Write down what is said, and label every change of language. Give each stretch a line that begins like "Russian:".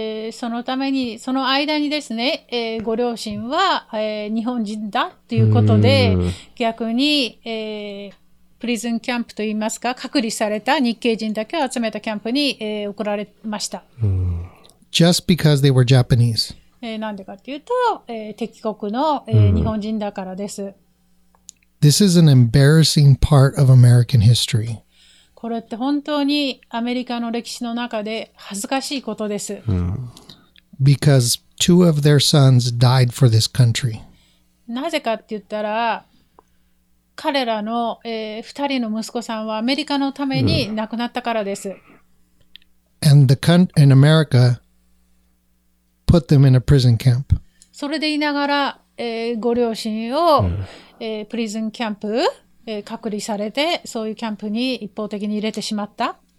Japanese: そのためにその間にですね、ご両親は、日本人だということで、逆に、プリズンキャンプといいますか、隔離された日系人だけを集めたキャンプに、送られました。
English: Just because they were Japanese.
Japanese: なんでかというと、敵国の、日本人だからです。
English: This is an embarrassing part of American history.
Japanese: これって本当にアメリカの歴史の中で恥ずかしいことです。
English: Because two of their sons died for this country.
Japanese: なぜかって言ったら、彼らの、二人の息子さんはアメリカのために亡くなったからです。
English: And America put them in a prison camp.
Japanese: それでいながら、ご両親を、プリズンキャンプ隔離されて、そういうキャンプに一方的に入れてしまった。